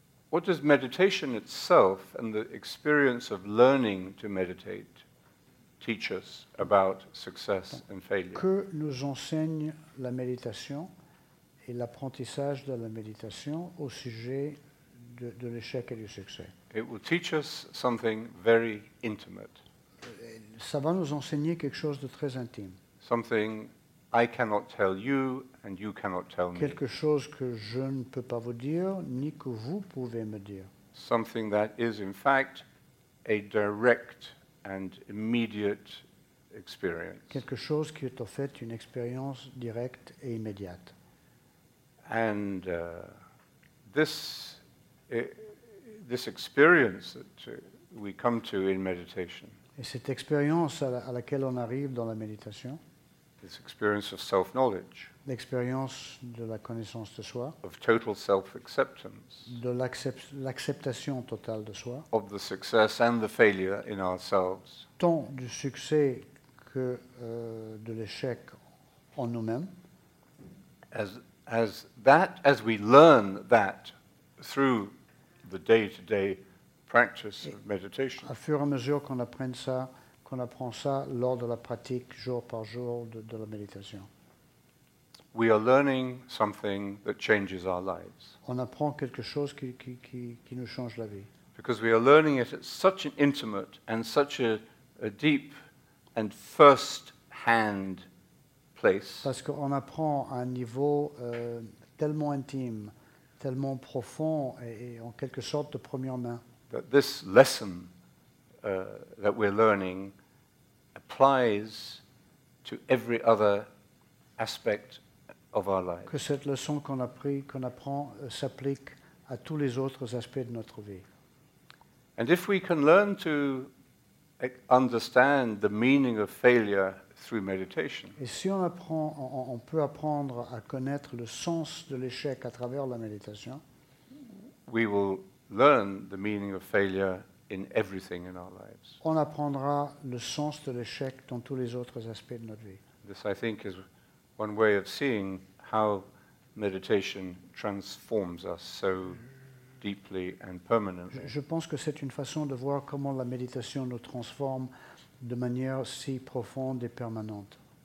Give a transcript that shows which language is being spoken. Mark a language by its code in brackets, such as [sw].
[en] What does meditation itself and the experience of learning to meditate teach us about success and failure? [fr] Que nous enseigne la méditation et l'apprentissage de la méditation au sujet de l'échec et du succès? [en] It will teach us something very intimate. [fr] Ça va nous enseigner quelque chose de très intime. [en] Something I cannot tell you and you cannot tell me. [fr] Quelque chose que je ne peux pas vous dire ni que vous pouvez me dire. [en] Something that is in fact a direct and immediate experience. [fr] Quelque chose qui est en fait une expérience directe et immédiate. [en] And this experience that we come to in meditation. [fr] Et cette expérience à laquelle on arrive dans la méditation. [en] This experience of self-knowledge. [fr] L'expérience de la connaissance de soi. [en] Of total self-acceptance. [fr] De l'acceptation totale de soi. [en] Of the success and the failure in ourselves. [fr] Tant du succès que de l'échec en nous-mêmes. [en] As we learn that through the day-to-day practice of meditation. [fr] À fur et à mesure qu'on apprend ça. On apprend ça lors de la pratique jour par jour de la méditation. [en] We are learning something that changes our lives. [fr] On apprend quelque chose qui nous change la vie. [en] Because we are learning it at such an intimate and such a deep and first-hand place. [fr] Parce qu'on apprend à un niveau tellement intime, tellement profond et en quelque sorte de première main. [en] That this lesson that we're learning applies to every other aspect of our life. [fr] Que cette leçon qu'on apprend s'applique à tous les autres aspects de notre vie. [en] And if we can learn to understand the meaning of failure through meditation. [fr] Et si on peut apprendre à connaître le sens de l'échec à travers la méditation. [en] We will learn the meaning of failure in everything in our lives. [fr] On apprendra le sens de l'échec dans tous les autres aspects de notre vie. [en] This, I think, is one way of seeing how meditation transforms us so deeply and permanently. [fr] Je pense que c'est une façon de voir comment la méditation nous transforme de manière si profonde et permanente.